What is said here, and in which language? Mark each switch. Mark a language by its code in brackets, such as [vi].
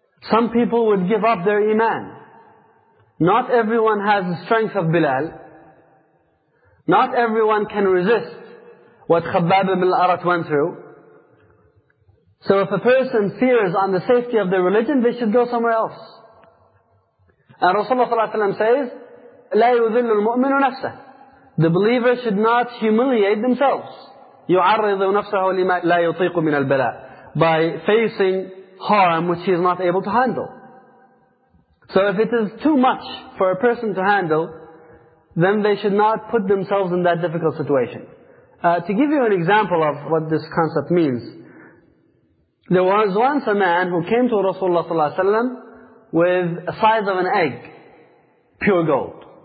[en] Some people would give up their iman. Not everyone has the strength of Bilal. Not everyone can resist what Khabbab ibn al-Arat went through. So if a person fears on the safety of their religion, they should go somewhere else. And Rasulullah ﷺ says, [ar] لا يذل المؤمن نفسه. [en] The believer should not humiliate themselves. [ar] يعرض نفسه لما لا يطيق من البلاء. [en] By facing harm which he is not able to handle. So if it is too much for a person to handle, then they should not put themselves in that difficult situation. To give you an example of what this concept means, there was once a man who came to Rasulullah sallallahu alaihi wasallam with a size of an egg, pure gold.